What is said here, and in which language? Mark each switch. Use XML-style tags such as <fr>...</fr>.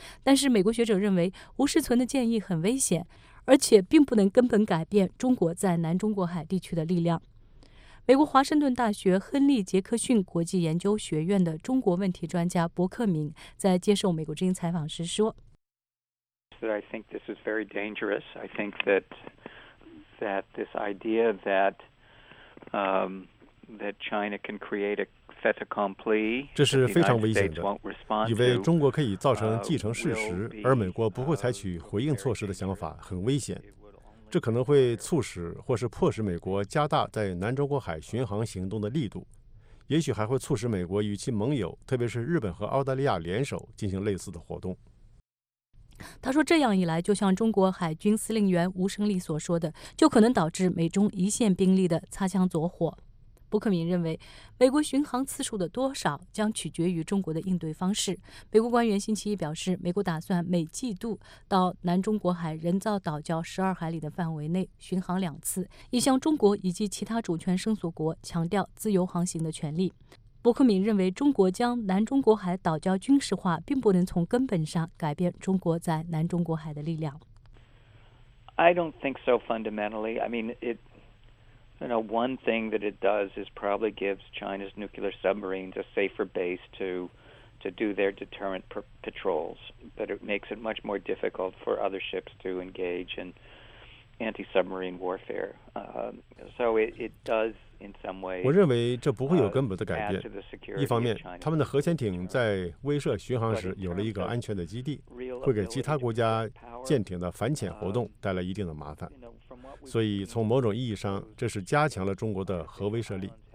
<zh>但是美国学者认为，吴世存的建议很危险，而且并不能根本改变中国在南中国海地区的力量。美国华盛顿大学亨利·杰克逊国际研究学院的中国问题专家伯克敏在接受美国之音采访时说</zh> <en>I think this is very dangerous. I think that this idea that China can create a fait accompli,</en> <zh>这是非常危险的，以为中国可以造成既成事实而美国不会采取回应措施的想法很危险。这可能会促使或是迫使美国加大在南中国海巡航行动的力度，也许还会促使美国与其盟友，特别是日本和澳大利亚联手进行类似的活动。他说，这样一来，就像中国海军司令员吴胜利所说的，就可能导致美中一线兵力的擦枪走火。伯克敏认为，美国巡航次数的多少将取决于中国的应对方式。美国官员星期一表示，美国打算每季度到南中国海人造岛礁12海里的范围内巡航两次，以向中国以及其他主权生索国强调自由航行的权利。伯克敏认为，中国将南中国海岛礁军事化并不能从根本上改变中国在南中国海的力量。</zh> <en>I don't think so fundamentally. I mean, You know, one thing that it does is probably gives China's nuclear submarines a safer base to do their deterrent patrols, but it makes it much more difficult for other ships to engage in anti-submarine warfare. So it does in some ways.</en> <zh>我认为这不会有根本的改变。一方面，他们的核潜艇在威慑巡航时有了一个安全的基地，会给其他国家舰艇的反潜活动带来一定的麻烦。所以从某种意义上，这是加强了中国的核威慑力。</zh>